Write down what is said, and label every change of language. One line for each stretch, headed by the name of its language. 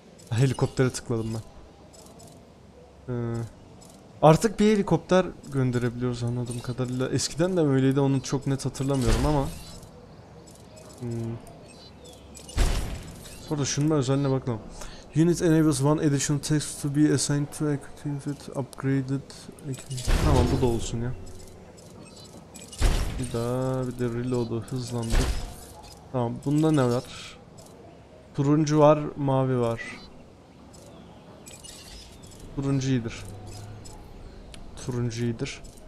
Turkish: Helikoptere tıkladım ben. Artık bir helikopter gönderebiliyoruz anladığım kadarıyla. Eskiden de öyleydi, onu çok net hatırlamıyorum ama. Bu arada şunun ben özelliğine bakalım.
English: Unit enables one additional task to be assigned to activated, upgraded.
Turkish: Tamam, bu da olsun ya. Bir daha bir de reload'u hızlandır. Tamam, bunda ne var? Turuncu var, mavi var. Turuncu iyidir. Turuncu iyidir.